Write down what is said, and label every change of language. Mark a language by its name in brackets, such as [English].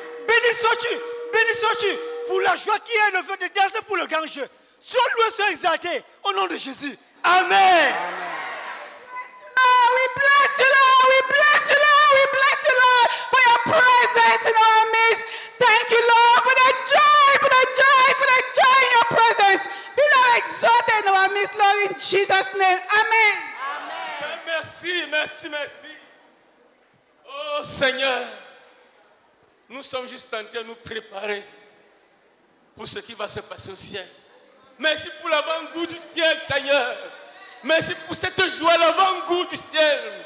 [French] Béni sois-tu, béni sois-tu pour la joie qui est le fait de danser pour le grand jeu. Sois loué, sois exalté au nom de Jésus. Amen. [English] Oh, we bless you, Lord. We bless you, Lord. We bless you, Lord, for your presence in our midst. Thank you, Lord, for the joy, for the joy, for the joy in your presence. Be now exalted in our midst, Lord, in Jesus' name. Amen. Amen. [French] Merci, merci, merci. Oh, Seigneur, nous sommes juste en train de nous préparer pour ce qui va se passer au ciel. Merci pour l'avant-goût du ciel, Seigneur. Merci pour cette joie, l'avant-goût du ciel.